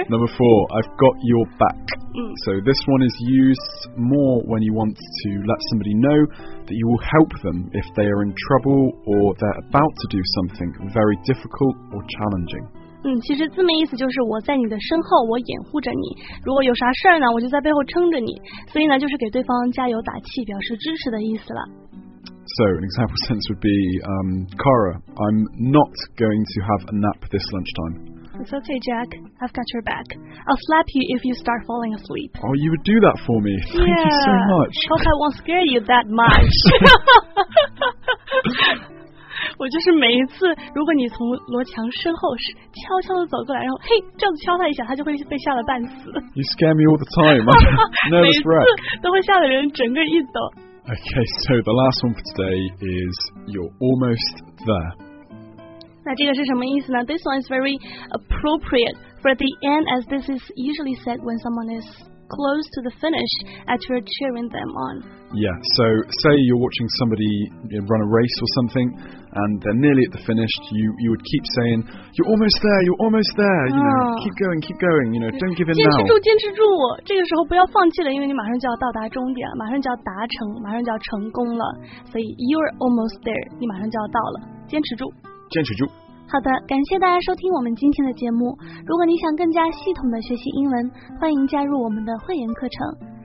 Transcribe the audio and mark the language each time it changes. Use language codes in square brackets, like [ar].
[en] Number four, I've got your back. So this one is used more when you want to let somebody know that you will help them if they are in trouble or they're about to do something very difficult or challenging. [zh] 其实字面意思就是我在你的身后，我掩护着你，如果有啥事呢，我就在背后撑着你，所以呢就是给对方加油打气，表示支持的意思了。 [en] So an example sentence would be, Kara, I'm not going to have a nap this lunchtime. It's okay, Jack. I've got your back. I'll slap you if you start falling asleep. Oh, you would do that for me. Thank you so much. Hope I won't scare you that much. [zh] 我就是每一次，如果你从罗强身后悄悄地走过来，然后嘿这样子敲他一下，他就会被吓得半死。 [en] You scare me all the time. Nervous wreck. [zh] 每次都会吓得人整个一抖。 [en] Okay, so the last one for today is you're almost there. [zh] 那这个是什么意思呢？ [en] This one is very appropriate for the end, as this is usually said when someone is close to the finish as you're cheering them on. Yeah, so say you're watching somebody run a race or something, and they're nearly at the finish, you would keep saying, you're almost there, you're almost there, you know, keep going, you know, don't give in now. [zh] 坚持住，这个时候不要放弃了，因为你马上就要到达终点，马上就要达成，马上就要成功了，所以 [en] you're almost there, [zh] 你马上就要到了，坚持住。坚持住。好的，感谢大家收听我们今天的节目。如果你想更加系统的学习英文，欢迎加入我们的会员课程。